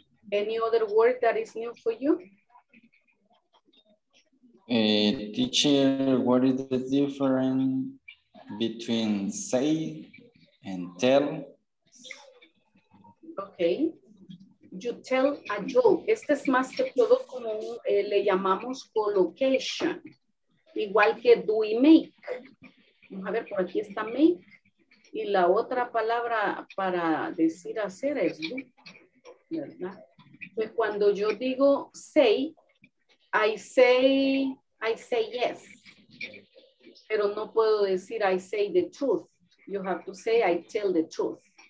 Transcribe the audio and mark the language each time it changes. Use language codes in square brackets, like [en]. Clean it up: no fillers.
[en] Any other word that is new for you? Teacher, what is the difference between say and tell? Okay. You tell a joke. [es] Este es más que todo como le llamamos collocation. Igual que do y make. Vamos a ver, por aquí está make. Y la otra palabra para decir hacer es do. ¿Verdad? Pues cuando yo digo say, [en] I say yes. [es] Pero no puedo decir [en] I say the truth. You have to say I tell the truth.